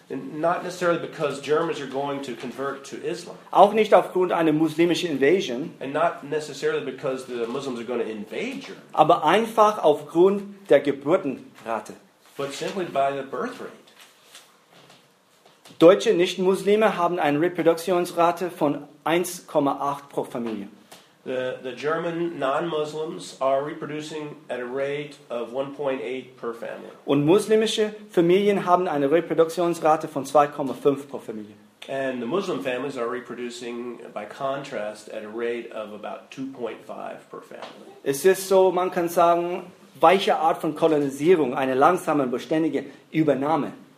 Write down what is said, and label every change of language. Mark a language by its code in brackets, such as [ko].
[en] And not necessarily because Germans are going to convert to Islam. [de] Auch nicht aufgrund einer muslimischen Invasion. [en] And not necessarily because the Muslims are going to invade Germany. [de] Aber einfach aufgrund der Geburtenrate. [en] but simply by the birth rate. [de] Deutsche Nichtmuslime haben eine Reproduktionsrate von 1,8 pro Familie. [en] The German non-Muslims are reproducing at a rate of 1.8 per family. [de] Und muslimische Familien haben eine Reproduktionsrate von 2,5 pro Familie. [en] And the Muslim families are reproducing, by contrast, at a rate of about 2.5 per family. [de] Es ist so, man kann sagen, weiche Art von Kolonisierung, eine langsame und beständige Übernahme.